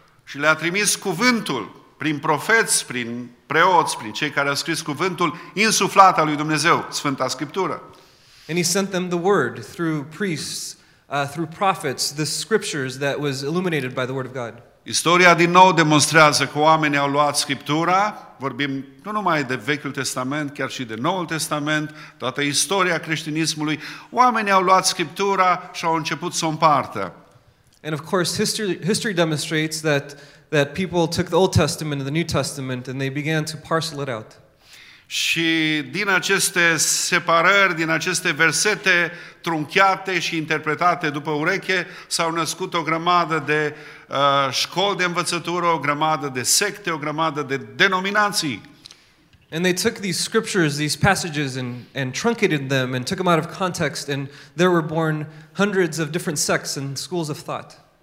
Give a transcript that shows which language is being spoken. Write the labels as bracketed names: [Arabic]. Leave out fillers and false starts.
[Romanian] Și le-a trimis cuvântul prin profeți, prin preoți, prin cei care au scris cuvântul insuflat al lui Dumnezeu, Sfânta Scriptură. [English] And he sent them the word through priests, through prophets, the scriptures that was illuminated by the word of God. [Romanian] Istoria din nou demonstrează că oamenii au luat Scriptura, vorbim nu numai de Vechiul Testament, chiar și de Noul Testament, toată istoria creștinismului, oamenii au luat Scriptura și au început să o împartă. [English] And of course history demonstrates that people took the Old Testament and the New Testament and they began to parcel it out. [Romanian] Și din aceste separări, din aceste versete trunchiate și interpretate după ureche, s-au născut o grămadă de școli de învățătură, o grămadă de secte, o grămadă de denominații. [English] And they took these scriptures, these passages and truncated them and took them out of context and there were born hundreds of different sects and schools of thought.